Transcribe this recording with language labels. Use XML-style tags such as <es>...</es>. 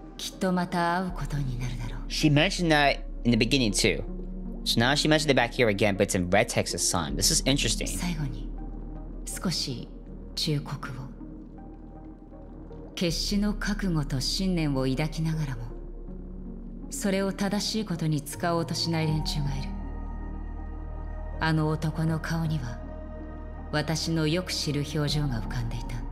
<ja>忘れたのか。あの男が去り際に言っていただろう。いくら記憶力が悪いとはいえ。オッケー。巡回レンジャー。ウォー。周りからはそう呼ばれている。あなたもそう呼んでくれて構わない。私たちはきっとまた会うことになるだろう。</ja> <en>She mentioned that in the beginning too. So now she mentioned it back here again, but it's in red text this time. This is interesting.</en> <ja>最後に少し 忠告を決死の覚悟と信念を抱きながらもそれを正しいことに使おうとしない連中がいる。あの男の顔には私のよく知る表情が浮かんでいた。</ja>